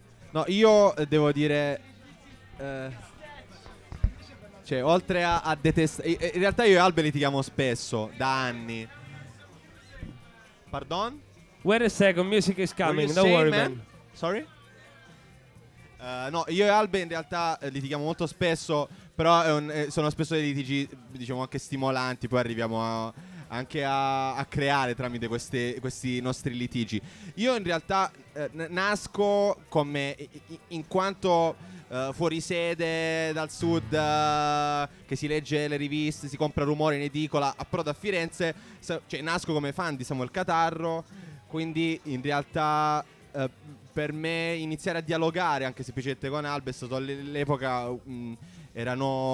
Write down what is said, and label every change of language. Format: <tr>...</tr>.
<it>No, io devo dire, cioè, oltre a detestare, in realtà io e Albe litighiamo spesso da anni.</it> <en>Pardon? Where is second music is coming, don't worry man. Sorry?</en> <it>No, io e Albe in realtà litighiamo molto spesso, però sono spesso dei litigi, diciamo, anche stimolanti, poi arriviamo anche a creare tramite questi nostri litigi. Io in realtà nasco come, in quanto fuori sede dal sud, che si legge le riviste, si compra Rumore in edicola, approdo a Firenze, cioè nasco come fan di Samuel Catarro, quindi in realtà per me iniziare a dialogare, anche semplicemente con Albe, è stato all'epoca, erano</it>